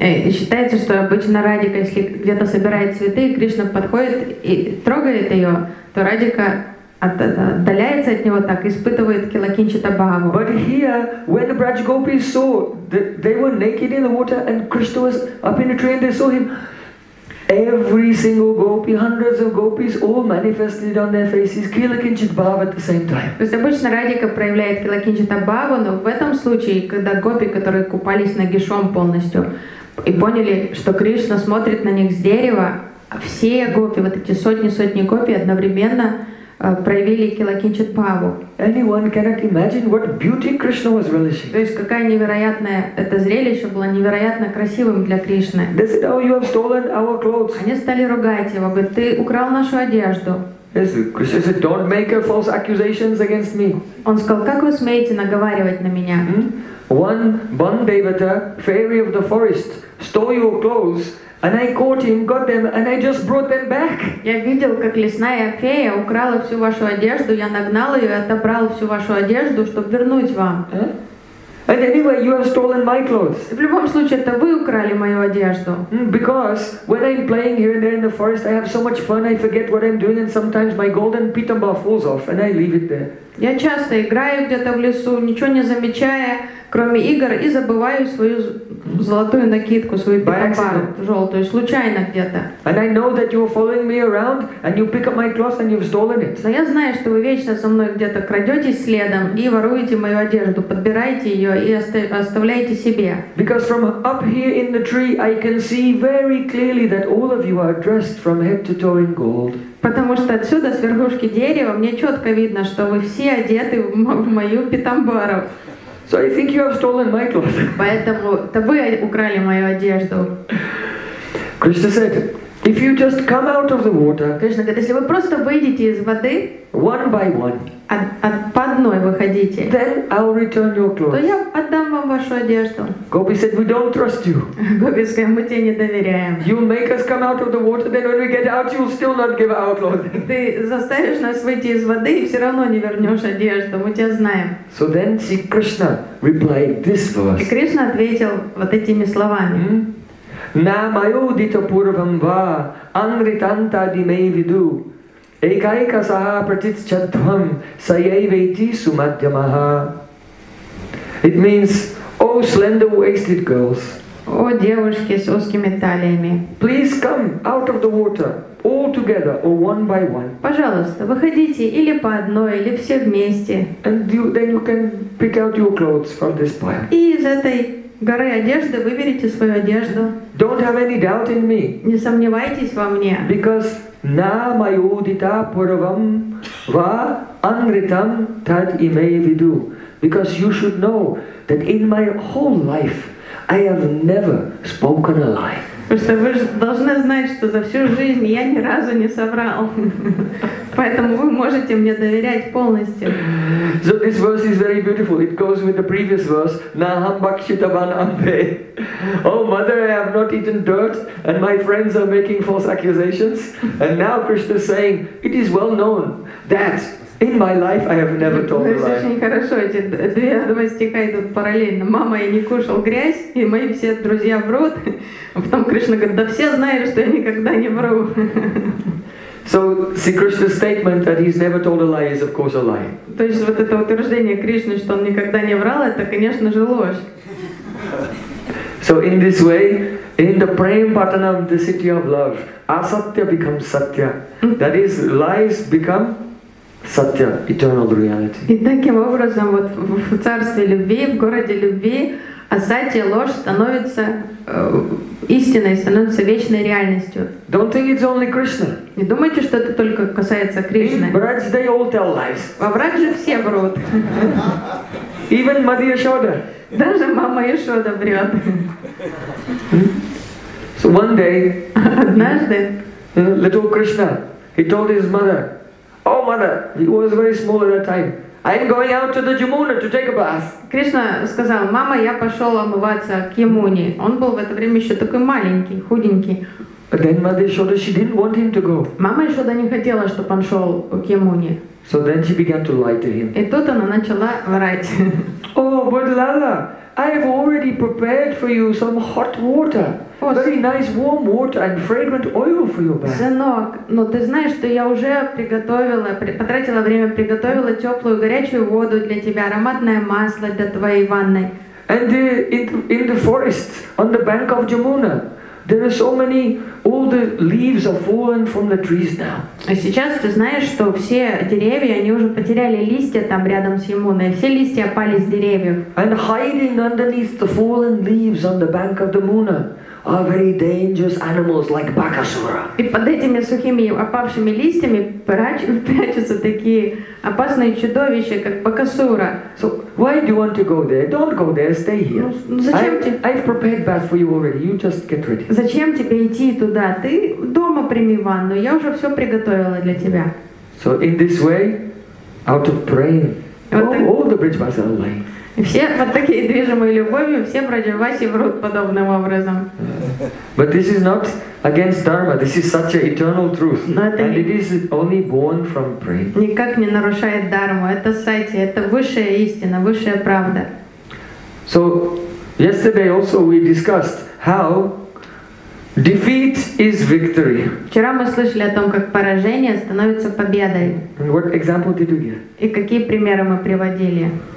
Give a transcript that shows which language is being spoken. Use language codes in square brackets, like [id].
[ru] Считается, что обычно Радика, если где-то собирает цветы, Кришна подходит и трогает ее, то Радика отдаляется от него так, испытывает килакинчита бхаву. [en] But here, when the Braj gopis saw that they were naked in the water and Krishna was up in a tree and they saw him, every single gopi, hundreds of gopis, all manifested on their faces kilakinchit bhava at the same time. [ru] То есть обычно Радика проявляет килакинчита бхаву, но в этом случае, когда гопи, которые купались нагишом полностью, и поняли, что Кришна смотрит на них с дерева, все гопи, вот эти сотни-сотни гопи одновременно проявили килакинчит бхаву. [en] Anyone cannot imagine what beauty Krishna was relishing. [ru] То есть какая невероятная это зрелище было, невероятно красивым для Кришны. [en] They said, "Oh, you have stolen our clothes." [ru] Они стали ругать его, говорят, ты украл нашу одежду. [en] Yes, Krishna said, "Don't make false accusations against me." [ru] Он сказал, как вы смеете наговаривать на меня? [en] One Bandevata, fairy of the forest, stole your clothes. And I caught him, got them, and I just brought them back. [ru] Я видел, как лесная фея украла всю вашу одежду, я нагнал ее и отобрал всю вашу одежду, чтобы вернуть вам. [en] And anyway, you have stolen my clothes. [ru] В любом случае, это вы украли мою одежду. [en] Because when I'm playing here and there in the forest, I have so much fun, I forget what I'm doing, and sometimes my golden pitamba falls off, and I leave it there. [ru] Я часто играю где-то в лесу, ничего не замечая, кроме игр, и забываю свою золотую накидку, свою пикапару, желтую, случайно где-то. [en] And I know that you were following me around, and you pick up my clothes, and you've stolen it. [ru] Но я знаю, что вы вечно со мной где-то крадетесь следом и воруете мою одежду, подбираете ее и оставляете себе. [en] Because from up here in the tree, I can see very clearly that all of you are dressed from head to toe in gold. [ru] Потому что отсюда, с верхушки дерева, мне четко видно, что вы все одеты в мою питамбару. [en] So I think you have stolen my clothes. [ru] Поэтому это вы украли мою одежду. [en] Krishna said, If you just come out of the water, [ru] Кришна говорит, если вы просто выйдете из воды, [en] one by one, [ru] по одной выходите, [en] then I'll return your clothes. [ru] То я отдам вам вашу одежду. [en] Gopi said, we don't trust you. [ru] Gopi сказал, мы тебе не доверяем. [en] You make us come out of the water, then when we get out, you'll still not give our clothes. [ru] Ты заставишь нас выйти из воды и все равно не вернешь одежду, мы тебя знаем. [en] So then see, Krishna replied this verse. [ru] И Кришна ответил вот этими словами. [sa] Namayodita purvam va anritanta dimei vidu ekaika saha pratit chattvam sayaiveti sumadhyamaha. [en] It means, O slender waisted girls, [ru] О девушки с узкими талиями, [en] please come out of the water all together or one by one. [ru] Пожалуйста, выходите или по одной, или все вместе. [en] And you, then you can pick out your clothes from this pile. [ru] И из этой горы одежды выберите свою одежду. [en] Don't have any doubt in me. [ru] Не сомневайтесь во мне. [en] Because [sa] na mayodita purvam va anritam tad imei vidu. [en] Because you should know that in my whole life I have never spoken a lie. [ru] Просто вы должны знать, что за всю жизнь я ни разу не соврал. Поэтому вы можете мне доверять полностью. [en] So this verse is very beautiful. It goes with the previous verse. [sa] Naham bhakshitavan ambe. [en] Oh, mother, I have not eaten dirt, and my friends are making false accusations. And now Krishna is saying, it is well known that in my life I have never told a lie. [ru] Это очень хорошо, эти два стиха идут параллельно. Мама, я не кушал грязь, и мои все друзья врут. А потом Кришна говорит, да все знают, что я никогда не вру. [en] So, see, Krishna's statement that he's never told a lie is, of course, a lie. [ru] То есть вот это утверждение Кришны, что он никогда не врал, это, конечно же, ложь. [en] So, in this way, in the prem patanam, the city of love, asatya becomes satya. That is, lies become satya, eternal reality. [ru] И таким образом, вот в царстве любви, в городе любви, асатья, ложь становится истиной, становится вечной реальностью. [en] Don't think it's only Krishna. [ru] Не думайте, что это только касается Кришны. [en] In Braj, they all tell lies. [ru] Во Враг же все врут. [en] Even Mother Yashoda. [ru] Даже мама Яшода врет. [en] So one day, [ru] однажды, [en] little Krishna, he told his mother, Oh, mother, he was very small at that time. I'm going out to the Jamuna to take a bath. [ru] Кришна сказал, мама, я пошел омываться к Ямуне. Он был в это время еще такой маленький, худенький. [en] But then Mother Yashoda, she didn't want him to go. [ru] Мама Яшода не хотела, чтобы он шел к Ямуне. [en] So then she began to lie to him. [ru] И тут она начала врать. [en] Oh, but Lala, I have already prepared for you some hot water. Very nice warm water and fragrant oil for your bath. [ru] Сынок, но ты знаешь, что я уже приготовила, потратила время, приготовила теплую горячую воду для тебя, ароматное масло для твоей ванны. [en] And in the forest, on the bank of Jamuna, there are so many, all the leaves are fallen from the trees now. [ru] А сейчас ты знаешь, что все деревья, они уже потеряли листья там рядом с Ямуной, все листья опали с деревьев. [en] And hiding underneath the fallen leaves on the bank of the Muna are very dangerous animals like Bakasura. [ru] И под этими сухими опавшими листьями прячутся такие опасные чудовища, как Бакасура. [en] So why do you want to go there? Don't go there, stay here. [ru] Зачем тебе? [en] I've prepared bath for you already. You just get ready. [ru] Зачем тебе идти туда? Ты дома прими ванну, я уже все приготовила для тебя. [en] So in this way, out of praying, all the bridge bars are lying. [ru] Все вот такие движимые любовью, все Браджаваси врут подобным образом. [en] But this is not against dharma. This is such an eternal truth. [ru] Но это [en] and it is only born from prema. [ru] Никак не нарушает дарму. Это сатья, это высшая истина, высшая правда. [en] So yesterday also we discussed how defeat is victory. [ru] Вчера мы слышали о том, как поражение становится победой. [en] And what example did you give? [ru] И какие примеры мы приводили?